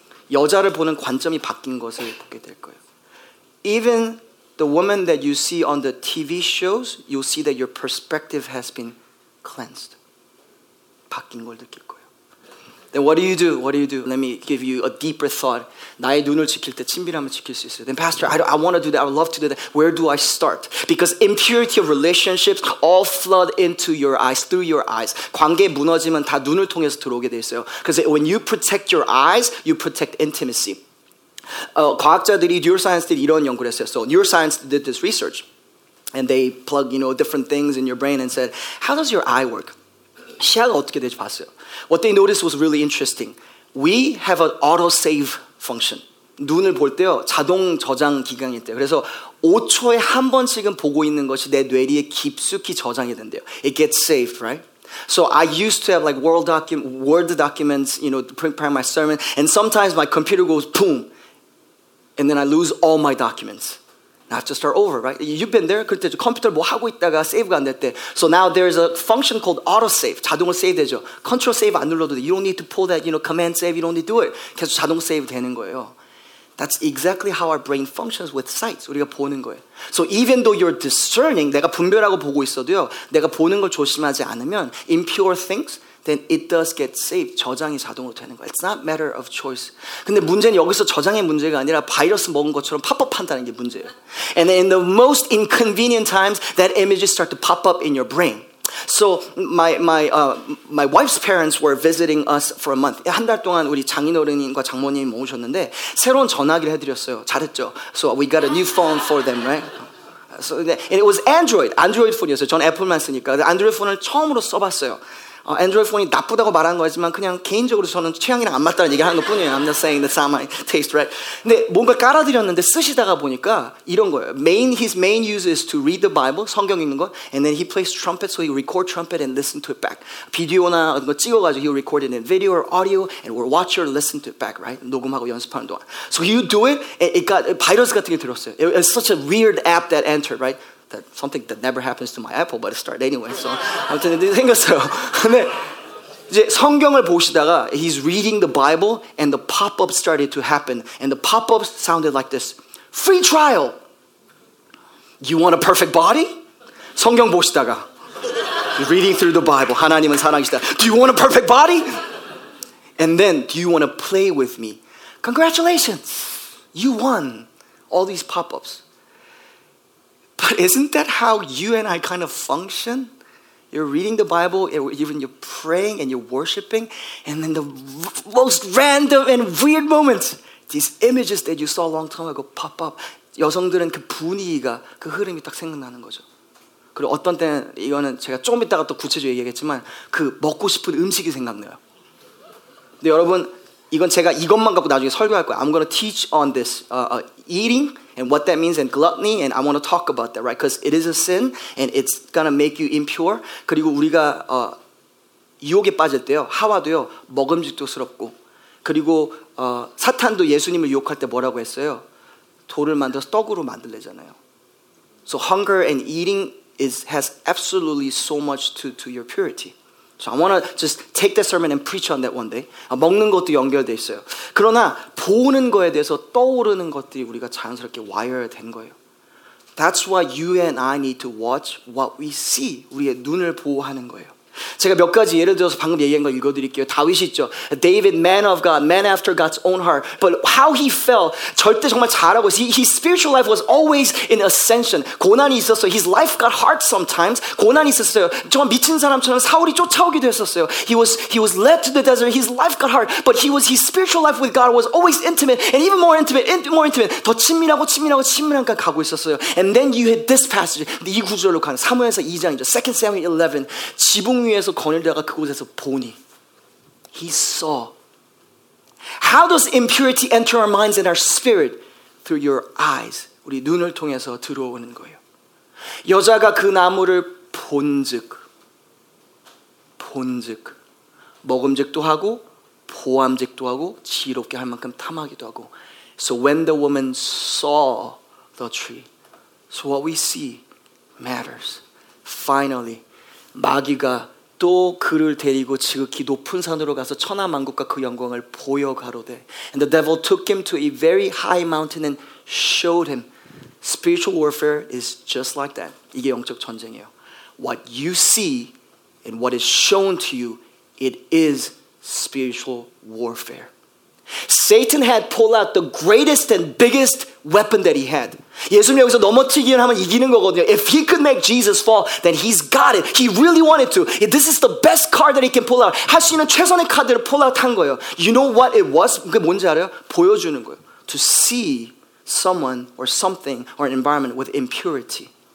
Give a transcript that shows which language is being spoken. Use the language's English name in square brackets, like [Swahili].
[Korean] 여자를 보는 관점이 바뀐 것을 보게 될 거예요. [English] Even the woman that you see on the TV shows, you'll see that your perspective has been cleansed. [Korean] 바뀐 걸 느낄 거예요. [English] Then what do you do? What do you do? Let me give you a deeper thought. [Korean] 나의 눈을 지킬 때 친밀함을 지킬 수 있어요. [English] Then pastor, I want to do that. I would love to do that. Where do I start? Because impurity of relationships all flood into your eyes, through your eyes. [Korean] 관계 무너지면 다 눈을 통해서 들어오게 돼 있어요. [English] Because when you protect your eyes, you protect intimacy. [Korean] 과학자들이, neuroscience들이 이런 연구를 했어요. [English] So neuroscience did this research. And they plug, you know, different things in your brain and said, how does your eye work? [Korean] 시야가 어떻게 되지 봤어요. [English] What they noticed was really interesting. We have an autosave function. [Korean] 눈을 볼 때요, 자동 저장 기간이 있대요. 그래서 5초에 한 번씩은 보고 있는 것이 내 뇌리에 깊숙이 저장이 된대요. [English] It gets saved, right? So I used to have like word documents, you know, to prepare my sermon. And sometimes my computer goes boom. And then I lose all my documents. I have to start over, right? You've been there. [Korean] 그때 컴퓨터 뭐 하고 있다가 세이브가 안 됐대. [English] So now there is a function called auto save. [Korean] 자동으로 세이브 되죠. Control save 안 눌러도 돼. [English] You don't need to pull that, you know, command save. You don't need to do it. [Korean] 계속 자동 세이브 되는 거예요. [English] That's exactly how our brain functions with sights. [Korean] 우리가 보는 거예요. [English] So even though you're discerning, [Korean] 내가 분별하고 보고 있어도요. 내가 보는 걸 조심하지 않으면 [English] impure things, then it does get saved. [Korean] 저장이 자동으로 되는 거예요. [English] It's not a matter of choice. [Korean] 근데 문제는 여기서 저장의 문제가 아니라 바이러스 먹은 것처럼 팝업한다는 게 문제예요. [English] And in the most inconvenient times, that images start to pop up in your brain. So my wife's parents were visiting us for a month. [Korean] 한 달 동안 우리 장인어른님과 장모님이 모으셨는데 새로운 전화기를 해드렸어요. 잘했죠? [English] So we got a new phone for them, right? So, and it was Android. [Korean] Android 폰이었어요. 저는 애플만 쓰니까. 안드로이드 폰을 처음으로 써봤어요. 안드로이드 폰이 나쁘다고 말한 거지만 그냥 개인적으로 저는 취향이랑 안 맞다는 얘기를 하는 것 뿐이에요. [English] I'm not saying that's not my taste, right? [Korean] 근데 뭔가 깔아드렸는데 쓰시다가 보니까 이런 거예요. [English] His main use is to read the Bible, [Korean] 성경 읽는 거. [English] And then he plays trumpet, so he record trumpet and listen to it back. [Korean] 비디오나 어떤 거 찍어가지고 [English] he'll record it in video or audio and we'll watch or listen to it back, right? [Korean] 녹음하고 연습하는 동안. [English] So you do it, and it got, [Korean] 바이러스 같은 게 들었어요. [English] It was such a weird app that entered, right? That something that never happens to my Apple, but it started anyway. So, [Korean] 아무튼 이게 생겼어요. 근데 이제 성경을 보시다가 [English] he's reading the Bible and the pop-up started to happen. And the pop-up sounded like this: free trial. You want a perfect body? [Korean] 성경 보시다가 [English] he's reading through the Bible. [Korean] 하나님은 사랑이시다. [English] Do you want a perfect body? And then do you want to play with me? Congratulations, you won. All these pop-ups. But isn't that how you and I kind of function? You're reading the Bible, even you're praying and you're worshiping, and then the most random and weird moments, these images that you saw a long time ago pop up. [Korean] 여성들은 그 분위기가, 그 흐름이 딱 생각나는 거죠. 그리고 어떤 때는, 이거는 제가 조금 이따가 또 구체적으로 얘기하겠지만, 그 먹고 싶은 음식이 생각나요. 근데 여러분, 이건 제가 이것만 갖고 나중에 설교할 거예요. [English] I'm going to teach on this eating and what that means and gluttony and I want to talk about that, right? Because it is a sin and it's going to make you impure. [Korean] 그리고 우리가 유혹에 빠질 때요. 하와도요. 먹음직도스럽고 그리고 사탄도 예수님을 유혹할 때 뭐라고 했어요? 돌을 만들어서 떡으로 만들래잖아요. [English] So hunger and eating has absolutely so much to your purity. So I want to just take that sermon and preach on that one day. [Korean] 먹는 것도 연결돼 있어요. 그러나 보는 거에 대해서 떠오르는 것들이 우리가 자연스럽게 와이어 된 거예요. [English] That's why you and I need to watch what we see. [Korean] 우리의 눈을 보호하는 거예요. 제가 몇 가지 예를 들어서 방금 얘기한 걸 읽어드릴게요. 다윗이 있죠. [English] David, man of God, man after God's own heart. But how he fell, [Korean] 절대 정말 잘하고 있어요. [English] His spiritual life was always in ascension. [Korean] 고난이 있었어요. [English] His life got hard sometimes. [Korean] 고난이 있었어요. 정말 미친 사람처럼 사울이 쫓아오기도 했었어요. [English] He was led to the desert. His life got hard. But his spiritual life with God was always intimate. And even more intimate, more intimate. [Korean] 더 친밀하고 친밀하고 친밀한 것 가고 있었어요. [English] And then you hit this passage. [Korean] 이 구절로 가는 사무엘서 2장이죠. [English] 2 Samuel 11. [Korean] 지붕 위에서 거닐다가 그곳에서 보니 [English] he saw. How does impurity enter our minds and our spirit? Through your eyes. [Korean] 우리 눈을 통해서 들어오는 거예요. 여자가 그 나무를 본즉 먹음직도 하고 보암직도 하고 지혜롭게 할 만큼 탐하기도 하고. [English] So when the woman saw the tree, so what we see matters. Finally, [Korean] 마귀가 또 그를 데리고 지극히 높은 산으로 가서 천하 만국과 그 영광을 보여 가로되. [English] And the devil took him to a very high mountain and showed him. Spiritual warfare is just like that. [Korean] 이게 영적 전쟁이에요. [English] What you see and what is shown to you, it is spiritual warfare. Satan had pulled out the greatest and biggest weapon that he had. [Korean] 예수님 여기서 넘어뜨리기만 하면 이기는 거거든요. [English] If he could make Jesus fall, then he's got it. He really wanted to. This is the best card that he can pull out. [Korean] 할 수 있는 최선의 카드를 pull out 한 거예요. [English] You know what it was? [Korean] 그게 뭔지 알아요? 보여주는 거예요. [English] To see someone or something or an environment with impurity.